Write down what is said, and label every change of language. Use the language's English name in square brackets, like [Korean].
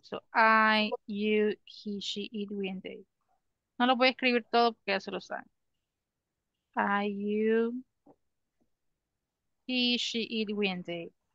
[English] So I, you, he, she, it, we, and they. [Spanish] No lo voy a escribir todo porque ya se lo saben. [English] I, you, he, she, it, we, and they.